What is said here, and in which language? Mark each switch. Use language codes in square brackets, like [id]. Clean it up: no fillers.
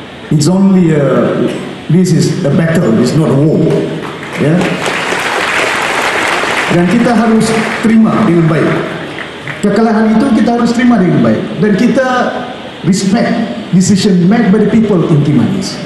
[en] It's only a, this is a battle, it's not a war. Yeah. [ms] Dan kita harus terima dengan baik. Kekalahan itu kita harus terima dengan baik. Dan kita [en] respect decision made by the people in Ki Manis.